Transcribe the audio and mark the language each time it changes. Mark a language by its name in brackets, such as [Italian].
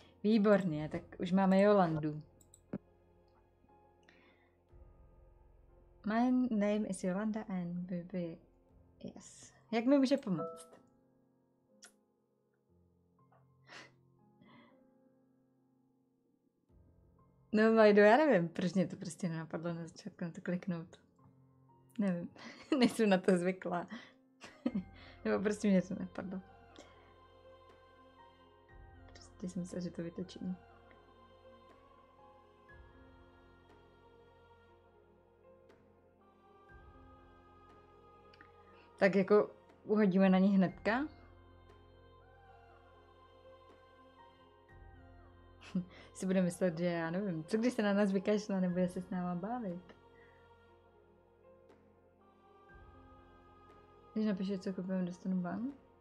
[Czech] Výborně, tak už máme Yolandu. [English] My name is Yolanda and baby. [Czech] Yes. Jak mi může pomoct? No, Majdo, já nevím, proč mě to prostě nenapadlo na začátku na to kliknout. Nevím, nejsem na to zvyklá. Nebo prostě mě to nepadlo. Prostě jsem myslela, že to vytočím. Tak jako uhodíme na ní hnedka. Si bude myslet, že já nevím, co když se na nás vykašle, nebude se s náma bavit. Když napíše, co kupujeme, dostanu ban.